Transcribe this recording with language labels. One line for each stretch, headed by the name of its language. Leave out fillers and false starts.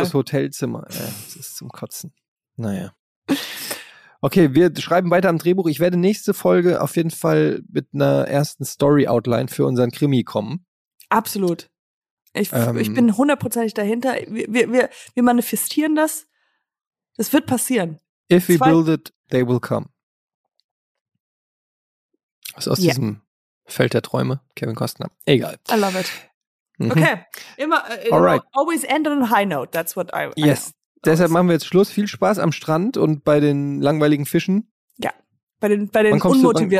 German: Luxushotelzimmer. Es ist zum Kotzen. Naja. Okay, wir schreiben weiter am Drehbuch. Ich werde nächste Folge auf jeden Fall mit einer ersten Story-Outline für unseren Krimi kommen. Absolut. Ich bin hundertprozentig dahinter. Wir manifestieren das. Das wird passieren.
English: If we build it, they will come.
German: Was ist aus diesem Feld der Träume, Kevin Costner. Egal.
English: I love it. Mhm. Okay. Immer, all right. Always end on a high note. That's what I yes. I
German: deshalb machen wir jetzt Schluss. Viel Spaß am Strand und bei den langweiligen Fischen. Ja. Bei den unmotivierten.